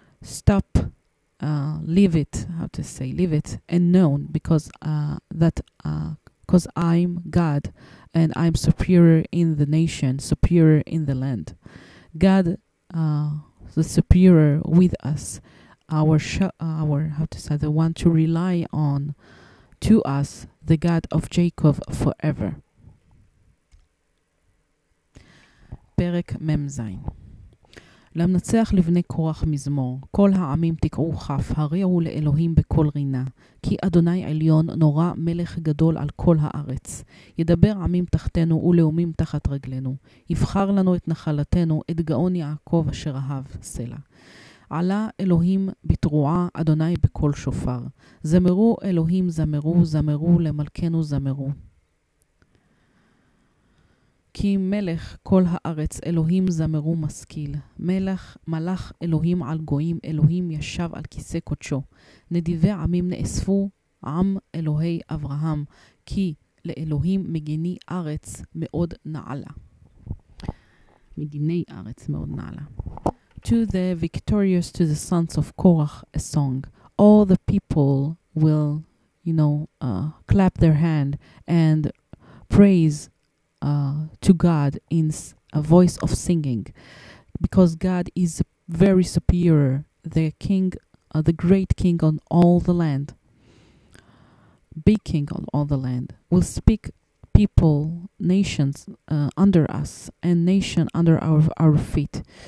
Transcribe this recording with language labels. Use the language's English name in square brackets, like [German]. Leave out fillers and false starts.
[English] Stop, leave it, how to say, leave it, and known, because that, because I'm God, and I'm superior in the nation, superior in the land. God, the superior with us, our, the one to rely on, to us, the God of Jacob forever. [Hebrew] פרק ממזיין. למנצח לבני קורח מזמור, כל העמים תקעו חף, הריעו לאלוהים בכל רינה, כי אדוני עליון נורא מלך גדול על כל הארץ. ידבר עמים תחתנו ולאומים תחת רגלנו, יבחר לנו את נחלתנו, את גאון יעקב אשר אהב סלע. עלה אלוהים בתרועה, אדוני בכל שופר. זמרו אלוהים זמרו, זמרו למלכנו זמרו. כי מלך כל הארץ, אלוהים זמרו משכיל. מלך, מלך אלוהים על גויים, אלוהים ישב על כיסא קודשו. נדיבי עמים נאספו, עם אלוהי אברהם, כי לאלוהים מגיני ארץ מאוד נעלה. מגיני ארץ מאוד נעלה. [English] To the victorious, to the sons of Korach, a song. All the people will, you know, clap their hand and praise to God in a voice of singing, because God is very superior, the king, the great king on all the land, big king on all the land, will speak people, nations under us, and nation under our feet.